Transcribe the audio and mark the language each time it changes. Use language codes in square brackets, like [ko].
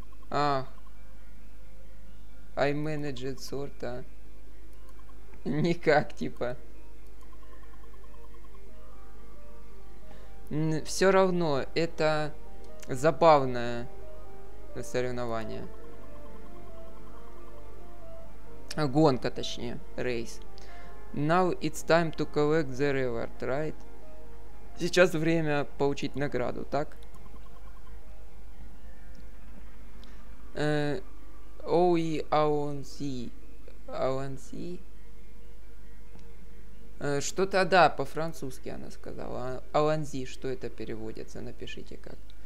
[en] Ах. I managed sorta. [ru] Никак, типа. Все равно, это забавное соревнование. Гонка, точнее, рейс. [en] Now it's time to collect the reward, right? [ru] Сейчас время получить награду, так? OE ONC. ONC? Что-то, да, по-французски она сказала. Аланзи, что это переводится, напишите как.